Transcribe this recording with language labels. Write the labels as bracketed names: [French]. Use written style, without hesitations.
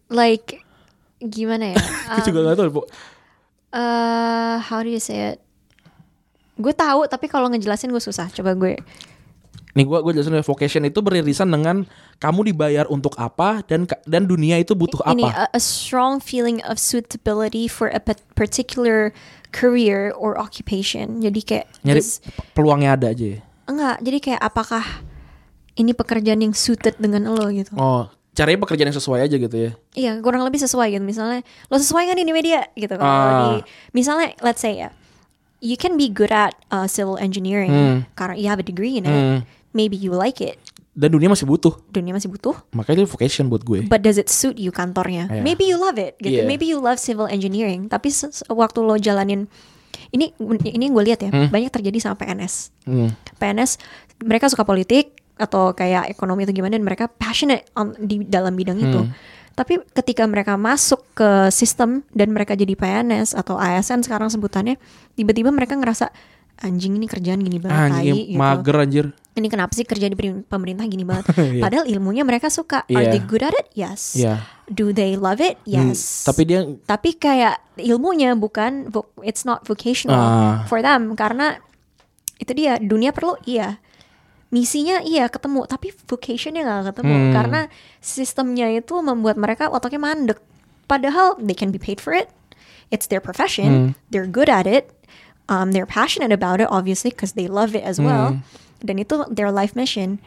[Indonesian] like gimana ya? Gue juga nggak tahu. [English] How do you say it? [Indonesian] Gue tahu tapi kalau ngejelasin gue susah. Coba gue. Nih gue jelasin. Vocation itu beririsan dengan kamu dibayar untuk apa dan dunia itu butuh apa. Ini [English] a strong feeling of suitability for a particular career or occupation. [Indonesian] Jadi kayak peluangnya ada aja. Enggak. Jadi kayak apakah ini pekerjaan yang suited dengan lo gitu. Oh, caranya pekerjaan yang sesuai aja gitu ya. Iya, kurang lebih sesuai gitu. Misalnya lo sesuai kan ini media gitu. Misalnya [English] let's say ya, you can be good at civil engineering [Indonesian] karena [English] you have a degree in it. Maybe you like it. [Indonesian] Dan dunia masih butuh. Makanya itu vocation buat gue. [English] But does it suit you [Indonesian] kantornya? [English] Yeah. Maybe you love it. [Indonesian] Gitu. [English] Yeah. Maybe you love civil engineering. [Indonesian] Tapi waktu lo jalanin ini yang gue lihat ya, banyak terjadi sama PNS. PNS mereka suka politik atau kayak ekonomi atau gimana, dan mereka passionate di dalam bidang itu. Tapi ketika mereka masuk ke sistem dan mereka jadi PNS atau ASN sekarang sebutannya, tiba-tiba mereka ngerasa, anjing ini kerjaan gini banget, anjing, tai, mager gitu. Anjir. Ini kenapa sih kerja di pemerintah gini banget? Padahal ilmunya mereka suka. [English] Are they good at it? Yes. Yeah. Do they love it? Yes. [Indonesian] Tapi kayak ilmunya bukan, [English] it's not vocational for them. [Indonesian] Karena itu dia, dunia perlu, iya. Misinya iya ketemu, tapi vocationnya gak ketemu. Karena sistemnya itu membuat mereka otaknya mandek. Padahal [English] they can be paid for it. It's their profession. They're good at it. They're passionate about it obviously because they love it as well. [Indonesian] Dan itu [English] their life mission.